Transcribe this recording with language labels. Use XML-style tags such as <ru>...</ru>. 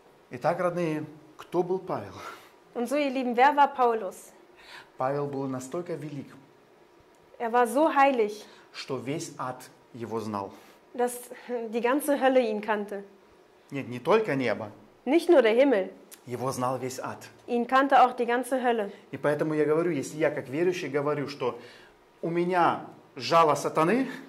<ru>Итак, родные, кто был Павел?</ru> <de>Und so, ihr Lieben, wer war Paulus?</de> <ru>Павел был настолько велик.</ru> <de>Er war so heilig.</de> <ru>Что весь ад его знал.</ru> <de>Dass die ganze Hölle ihn kannte.</de> <ru>Нет, не только небо.</ru> <de>Nicht nur der Himmel.</de> <ru>Его знал весь ад.</ru> <de>Ihn kannte auch die ganze Hölle.</de> <ru>И поэтому я говорю, если я как верующий говорю, что у меня жало сатаны.</ru>